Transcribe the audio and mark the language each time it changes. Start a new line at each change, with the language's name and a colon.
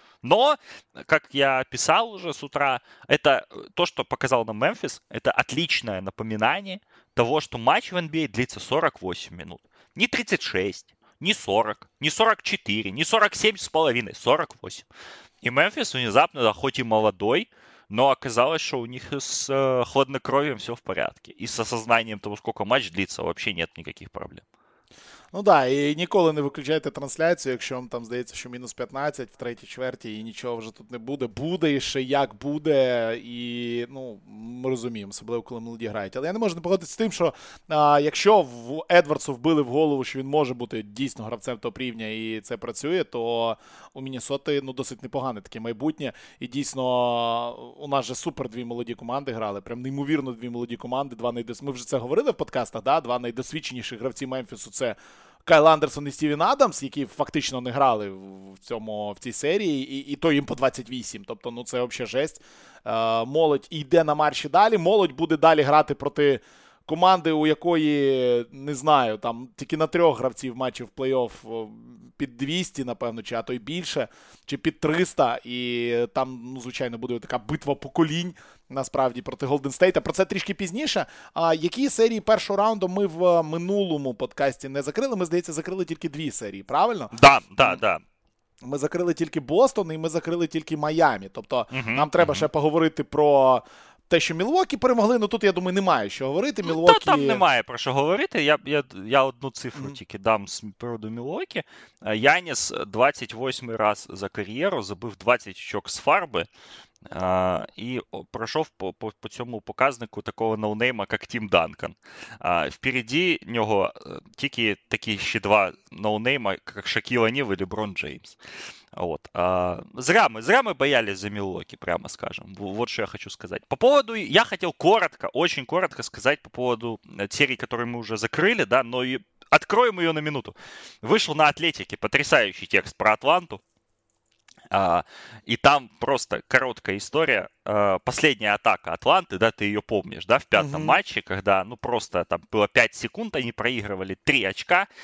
Russian: Но, как я писал уже с утра, это то, что показал нам Мемфис, это отличное напоминание того, что матч в NBA длится 48 минут, не 36. Не 40, не 44, не 47,5, 48. И Мемфис внезапно, да, хоть и молодой, но оказалось, что у них с хладнокровием все в порядке. И с осознанием того, сколько матч длится, вообще нет никаких проблем.
Ukrainian: Ну да, і ніколи не виключайте трансляцію, якщо вам там здається, що мінус 15 в третій чверті і нічого вже тут не буде. Буде і ще як буде, і, ну, ми розуміємо, особливо коли молоді грають. Але я не можу не погодитися з тим, що якщо в Едвардсу вбили в голову, що він може бути дійсно гравцем того рівня і це працює, то у Міннесоти, ну, досить непогане таке майбутнє. І дійсно у нас же супер дві молоді команди грали, прям неймовірно дві молоді команди, ми вже це говорили в подкастах, да? Два найдосвідченіші гравці Мемфісу це Кайл Андерсон і Стівен Адамс, які фактично не грали в цій серії, і то їм по 28. Тобто, ну це взагалі жесть. Молодь йде на марші далі. Молодь буде далі грати проти команди, у якої, не знаю, там тільки на трьох гравців матчів в плей-офф під 200, напевно, чи а то й більше, чи під 300. І там, ну, звичайно, буде така битва поколінь, насправді, проти Golden State. Про це трішки пізніше. А які серії першого раунду ми в минулому подкасті не закрили? Ми, здається, закрили тільки дві серії, правильно? Так, так, так. Ми закрили тільки Бостон і ми закрили тільки Майамі. Тобто нам треба ще поговорити про те, що Мілвокі перемогли, ну тут, я думаю, немає що говорити. Мілвокі... Та, там немає про що говорити. Я одну цифру тільки дам з приводу Мілвокі. Яніс 28-й раз за кар'єру забив 20 очок з фарби і пройшов по цьому показнику такого ноунейма, як Тім Данкан. Впереді нього тільки такі ще два ноунейма, як Шакіл О'Ніл і Леброн Джеймс. От. Зря ми боялись за Мілвокі, прямо скажем. Вот що я хочу сказати.
Russian: По поводу,
Ukrainian: я хотів коротко,
Russian: очень коротко сказати по поводу серії, которую мы уже закрыли, да, но и откроем ее на минуту. Вышел на Атлетике потрясающий текст про Атланту. И там просто короткая история. Последняя атака Атланты, да, ты ее помнишь, да, в пятом матче, когда, ну, просто там было 5 секунд, они проигрывали 3 очка.